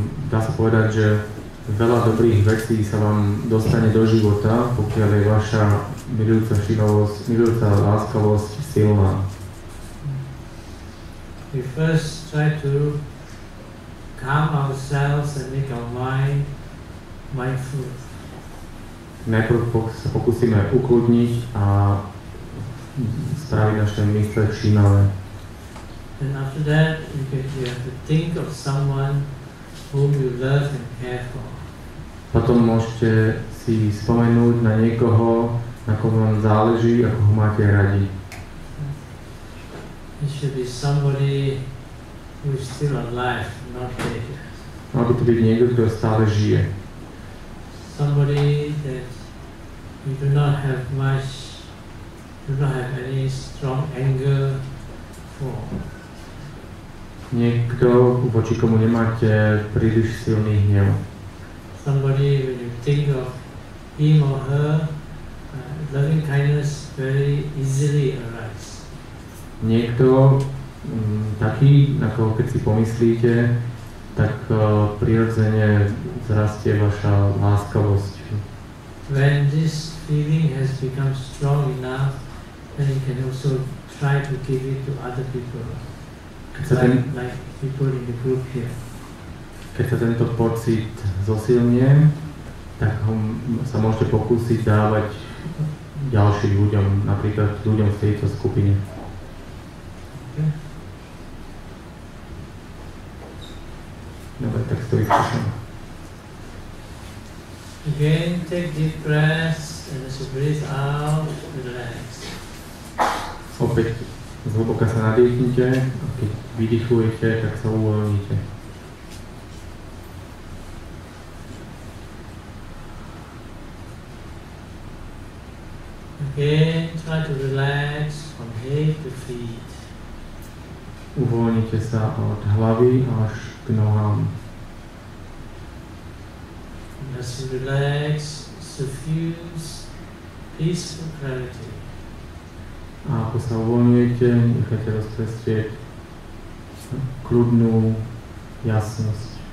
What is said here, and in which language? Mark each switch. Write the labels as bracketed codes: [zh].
[sk] Dá sa povedať, že veľa dobrých vecí sa vám dostane do života, pokiaľ je vaša milujúca všímavosť, milujúca láskavosť silná. [en] We first try to calm ourselves and make our mind mindful. [sk] Najprv sa pokúsime ukludniť a spraviť naše mysle všímavé. [en] And after that, you have to think of someone whom you love and care for. [sk] Potom môžete si spomenúť na niekoho, na koho vám záleží a koho máte radi. [en] It should be somebody who is still alive, not dead. [sk] Mal by to byť niekto, kto stále žije. [en] Somebody that you do not have much, do not have any strong anger for. [sk] Niekto, voči komu nemáte príliš silný hnev. [en] Somebody, when you think of him or her, loving kindness very easily arises. [sk] Niekto taký, na koho keď si pomyslíte, tak prirodzene zrastie vaša láskavosť. [en] When this feeling has become strong enough, then you can also try to give it to other people. Like people in the group here. [sk] Keď sa tento pocit zosilnie, tak ho sa môžete pokúsiť dávať ďalším ľuďom, napríklad ľuďom z tejto skupiny. [en] Okay. [sk] Dobre, tak to vyskúšam. [en] Again, take deep breaths and as you breathe out, relax. [sk] Opäť zhlboka sa nadýchnite a keď vydychujete, tak sa uvoľnite. [en] Again, try to relax from head to feet. [sk] Uvoľnite sa od hlavy až k nohám. [en] As you relax, suffuse peaceful clarity. [sk] A ako sa uvoľňujete, nechajte rozprestrieť kľudnú jasnosť.